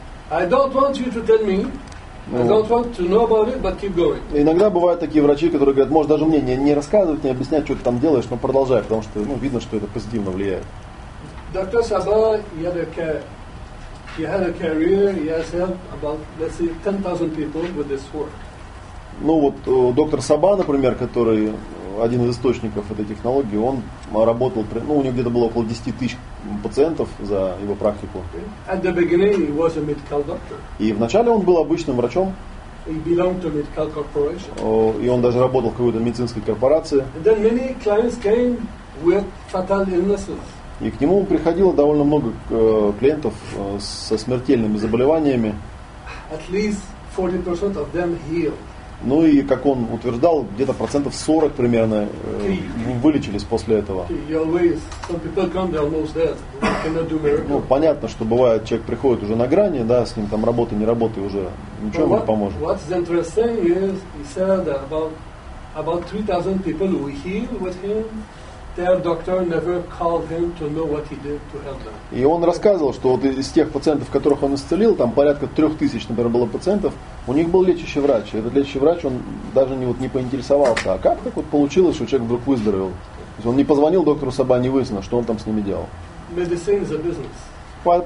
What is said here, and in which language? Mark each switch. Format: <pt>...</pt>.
<ru>Иногда бывают такие врачи, которые говорят, можешь даже мне не рассказывать, не объяснять, что ты там делаешь, но продолжай, потому что ну, видно, что это позитивно влияет.</ru> <en>Доктор Саба, he had a career, he has helped about, let's say, 10,000 people with this work.</en> <ru>Ну вот доктор Саба, например, который один из источников этой технологии, он работал, ну, у него где-то было около 10 тысяч пациентов за его практику.</ru> <en>At the beginning he was a medical doctor.</en> <ru>И вначале он был обычным врачом.</ru> <en>He belonged to a medical corporation.</en> <ru>И он даже работал в какой-то медицинской корпорации.</ru> <en>And then many clients came with fatal illnesses.</en> <ru>И к нему приходило довольно много клиентов со смертельными заболеваниями.</ru> <en>At least 40% of them healed.</en> <ru>Ну и, как он утверждал, где-то процентов 40 примерно вылечились после этого. Ну, понятно, что бывает, человек приходит уже на грани, да, с ним там работа, не работа, и уже ничего ему не поможет.</ru> <en>What is interesting is, he said about 3,000 people we heal with him, their doctor never called him to know what he did to help them.</en> <ru>И он рассказывал, что вот из тех пациентов, которых он исцелил, там порядка 3000, например, было пациентов, у них был лечащий врач. Этот лечащий врач, он даже не поинтересовался, а как так вот получилось, что человек вдруг выздоровел? То есть он не позвонил доктору Саба, не выяснил, что он там с ними делал.</ru> <en>Medicine is a business.</en>